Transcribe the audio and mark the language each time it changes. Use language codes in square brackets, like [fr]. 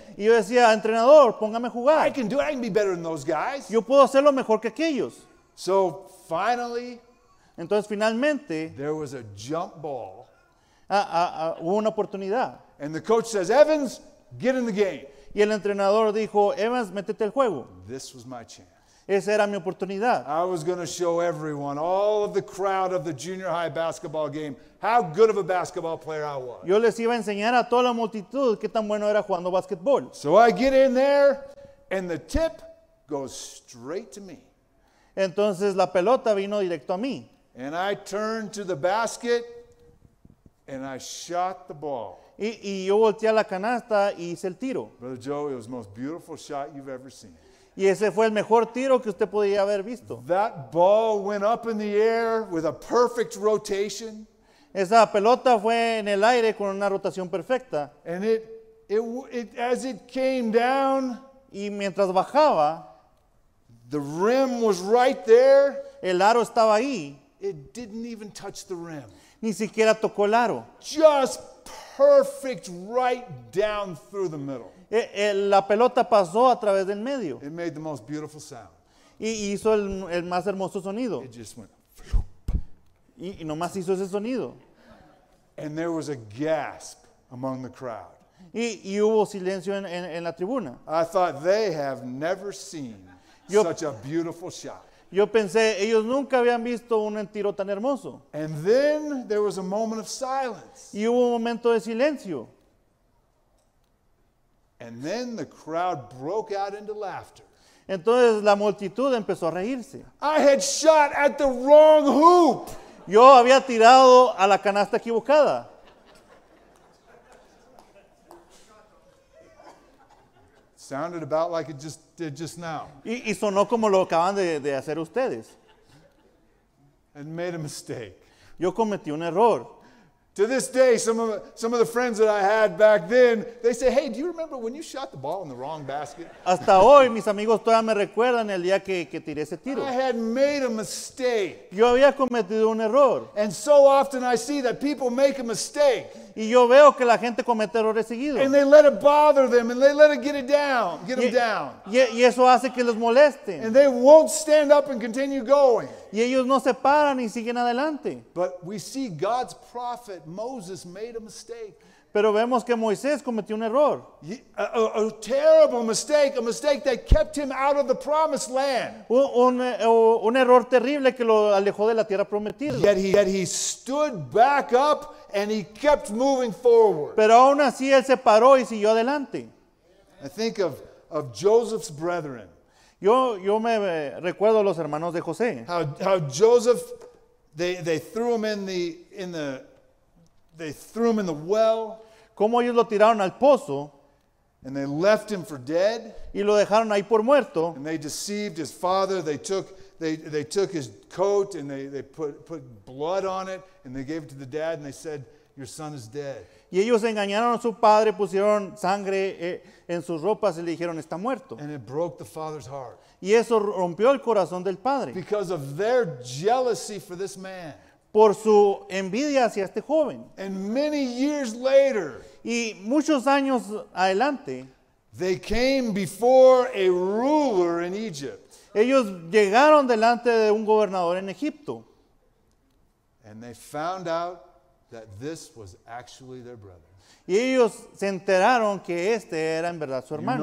[es] Y yo decía, entrenador, póngame a jugar. [en] I can do it. I can be better than those guys. [es] Yo puedo hacerlo mejor que aquellos. [en] So finally, [es] entonces finalmente, [en] there was a jump ball. [es] Hubo una oportunidad. [en] And the coach says, Evans, get in the game. [es] Y el entrenador dijo, Evans, métete al juego. [en] This was my chance. [es] Esa era mi oportunidad. [en] I was going to show everyone, all of the crowd of the junior high basketball game, how good of a basketball player I was. [es] Yo les iba a enseñar a toda la multitud qué tan bueno era jugando basketball. [en] So I get in there, and the tip goes straight to me. [es] Entonces la pelota vino directo a mí. [en] And I turned to the basket, and I shot the ball. [es] Y yo volteé a la canasta y hice el tiro. [en] Brother Joe, it was the most beautiful shot you've ever seen. [es] Y ese fue el mejor tiro que usted podía haber visto. [en] That ball went up in the air with a perfect rotation. [es] Esa pelota fue en el aire con una rotación perfecta. [en] And it as it came down, [es] y mientras bajaba, [en] the rim was right there. [es] El aro estaba ahí. [en] It didn't even touch the rim. [es] Ni siquiera tocó el aro. [en] Just perfect right down through the middle. [es] La pelota pasó a través del medio. [en] It made the most beautiful sound. [es] Y hizo el más hermoso sonido. [en] It just went floop. [es] Y nomás hizo ese sonido. [en] And there was a gasp among the crowd. [es] Y hubo silencio en la tribuna. [en] I thought they have never seen such a beautiful shot. [es] Yo pensé, ellos nunca habían visto un tiro tan hermoso. [en] And then there was a moment of silence. [es] Y hubo un momento de silencio. [en] And then the crowd broke out into laughter. [es] Entonces la multitud empezó a reírse. [en] I had shot at the wrong hoop. [es] Yo había tirado a la canasta equivocada. [en] Sounded about like it just did just now. [es] Y sonó como lo acaban de hacer ustedes. [en] And made a mistake. [es] Yo cometí un error. [en] To this day, some of the friends that I had back then, they say, "Hey, do you remember when you shot the ball in the wrong basket?" [es] Hasta hoy, mis amigos todavía me recuerdan el día que tiré ese tiro. [en] I had made a mistake. [es] Yo había cometido un error. [en] And so often I see that people make a mistake. [es] Y yo veo que la gente comete errores seguidos. [en] And they let it bother them, and they let it get them down. [es] Y eso hace que los molesten. [en] And they won't stand up and continue going. [es] Y ellos no se paran y siguen adelante. [en] But we see God's prophet Moses made a mistake. [es] Pero vemos que Moisés cometió un error. [en] A terrible mistake, a mistake that kept him out of the promised land. [es] Un error terrible que lo alejó de la tierra prometida. [en] Yet he stood back up and he kept moving forward. [es] Pero aún así él se paró y siguió adelante. [en] I think of Joseph's brethren. [es] Yo me recuerdo los hermanos de José. [en] How Joseph, they threw him in the well. [es] Como ellos lo tiraron al pozo. [en] And they left him for dead. [es] Y lo dejaron ahí por muerto. [en] And they deceived his father. They took his coat and they put blood on it and they gave it to the dad and they said, your son is dead. [es] Y ellos engañaron a su padre, pusieron sangre en sus ropas y le dijeron, está muerto. [en] And it broke the father's heart. [es] Y eso rompió el corazón del padre. [en] Because of their jealousy for this man. [es] Por su envidia hacia este joven. [en] And many years later, [es] y muchos años adelante, [en] they came before a ruler in Egypt. [es] Ellos llegaron delante de un gobernador en Egipto. [en] And they found out that this was actually their brother. [es] Y ellos se enteraron que este era en verdad su hermano.